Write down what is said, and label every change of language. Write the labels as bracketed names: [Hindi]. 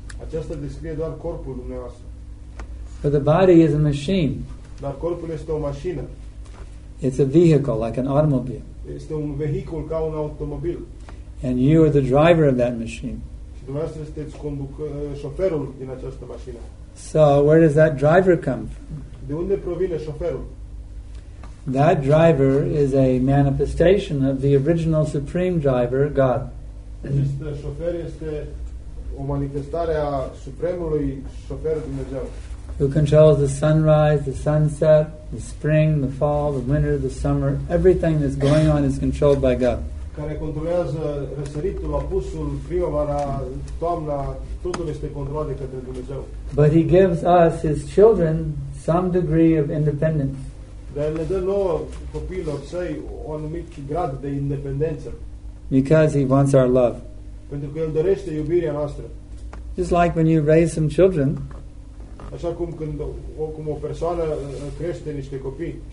[Romanian] Aceasta descrie doar corpul dumneavoastră. [English] But the body is a machine. [Romanian] Dar corpul este o mașină. [English] It's a vehicle, like an automobile. [Romanian] Este un vehicul ca un automobil. [English] And you are the driver of that machine. [Romanian] Și dumneavoastră sunteți șoferul din această mașină. [English] So where does that driver come from? [Romanian] De unde provine șoferul? [English] That driver is a manifestation of the original supreme driver, God. [Romanian] Acest șofer este o manifestare a supremului șofer Dumnezeu. [English] Who controls the sunrise, the sunset, the spring, the fall, the winter, the summer, everything that's going on is controlled by God. [Romanian] Care controlează răsăritul, apusul, primăvara, toamna, totul este controlat de către Dumnezeu. [English] But he gives us, his children, some degree of independence. [Romanian] Dar le dă nouă copiilor săi un anumit grad de independență. [English] Because he wants our love. [Romanian] Pentru că el dorește iubirea noastră. [English] Just like when you raise some children. [Romanian] Așa cum când cum o persoană crește niște copii.